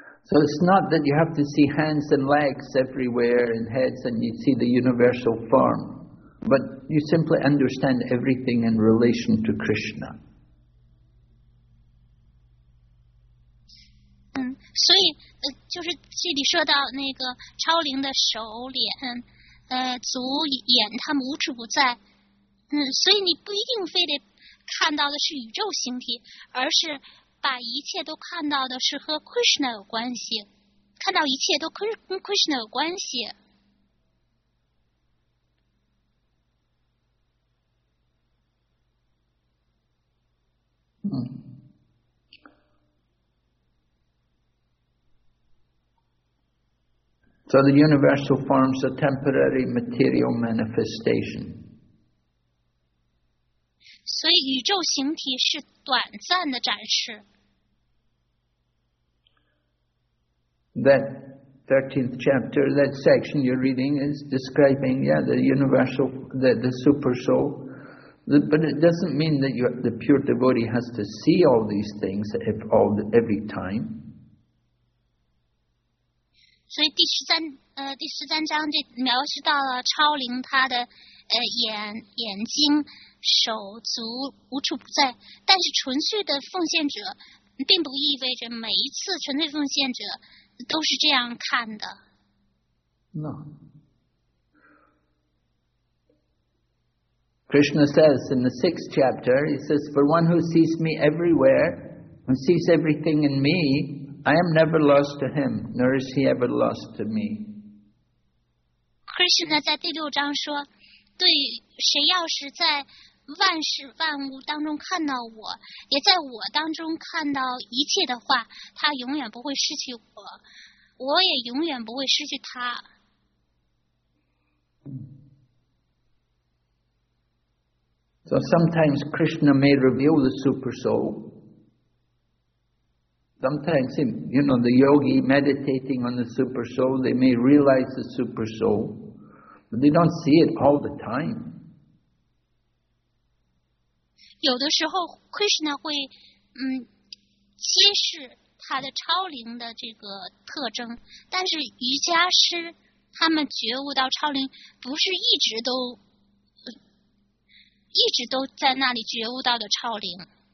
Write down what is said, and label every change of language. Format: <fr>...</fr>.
<en>So it's not that you have to see hands and legs everywhere and heads and you see the universal form. But you simply understand everything in relation to Krishna.</en> <zh>所以就是这里说到那个超灵的手脸足眼他们无处不在所以你不一定非得看到的是宇宙形体而是把一切都看到的是和 Krishna 有关系看到一切都跟 Krishna 有关系</zh> <en>So the universal forms a temporary material manifestation.</en> <zh>所以宇宙形体是短暂的展示。</zh> <en>That 13th chapter, that section you're reading is describing, yeah, the universal, the super soul. But it doesn't mean that the pure devotee has to see all these things every time.</en> <zh>所以第十三章就描述到了超灵他的眼睛手足无处不在但是纯粹的奉献者并不意味着每一次纯粹奉献者都是这样看的</zh> <en>No Krishna says in the sixth chapter he says for one who sees me everywhere and sees everything in meI am never lost to him, nor is he ever lost to me.</en> <zh>Krishna 在第六章说，对谁要是在万事万物当中看到我，也在我当中看到一切的话，他永远不会失去我，我也永远不会失去他。</zh> <en>So sometimes Krishna may reveal the super soul. Sometimes, you know, the yogi meditating on the super soul, they may realize the super soul, but they don't see it all the time.</en> <zh>有的时候 Krishna 会揭示他的超灵的这个特征，但是瑜伽师他们觉悟到超灵不是一直都在那里觉悟到的超灵。</zh>